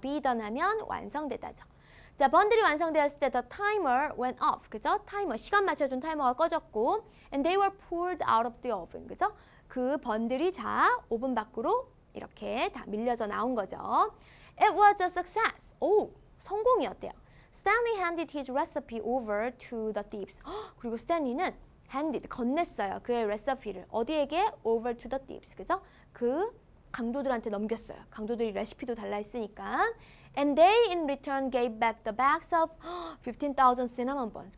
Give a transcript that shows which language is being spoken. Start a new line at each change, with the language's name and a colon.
English: be done
Korean: 하면 완성되다죠. 자, 번들이 완성되었을 때
English: the timer went off,
Korean: 그죠? 타이머, 시간 맞춰준 타이머가 꺼졌고
English: and they were pulled out of the oven, 그죠?
Korean: 그 번들이 자, 오븐 밖으로 이렇게 다 밀려져 나온 거죠.
English: It was a success.
Korean: 오, 성공이었대요.
English: Stanley handed his recipe over to the thieves.
Korean: 그리고 스탠리는 handed, 건넸어요. 그의 레시피를 어디에게?
English: Over to the thieves,
Korean: 그죠? 그 강도들한테 넘겼어요. 강도들이 레시피도 달라 있으니까.
English: And they in return gave back the bags of 15,000 cinnamon buns.